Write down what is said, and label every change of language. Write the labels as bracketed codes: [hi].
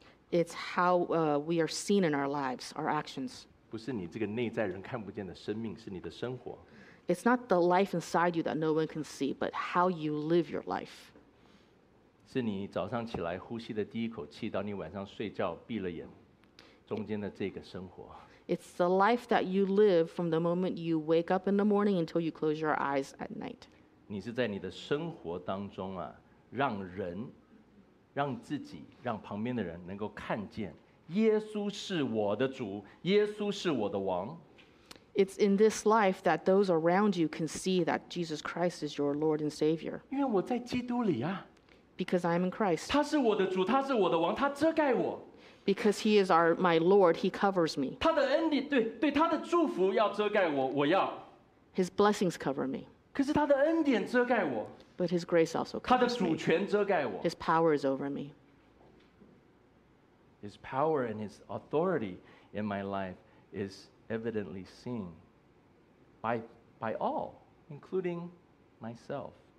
[en] It's how we are seen in our lives, our actions. [zh] 不是你这个内在人看不见的生命，是你的生活。 [en] It's not the life inside you that no one can see, but how you live your life. [zh] 是你早上起来呼吸的第一口气，到你晚上睡觉闭了眼，中间的这个生活。 [en] It's the life that you live from the moment you wake up in the morning until you close your eyes at night. [zh] 你是在你的生活当中啊，让人、让自己、让旁边的人能够看见，耶稣是我的主，耶稣是我的王。 [en] It's in this life that those around you can see that Jesus Christ is your Lord and Savior. [zh] 因为我在基督里啊。 [en] Because I am in Christ. [zh] 他是我的主，他是我的王，他遮盖我。 [en] Because he is our, my Lord, he covers me. [zh] 他的恩典，对，对，他的祝福要遮盖我，我要。 [en] His blessings cover me. [zh] 可是他的恩典遮盖我。 [en] But his grace also covers me. [zh] 他的主权遮盖我。 [en] His power is over me. His power and his authority in my life is evidently seen by all, including myself.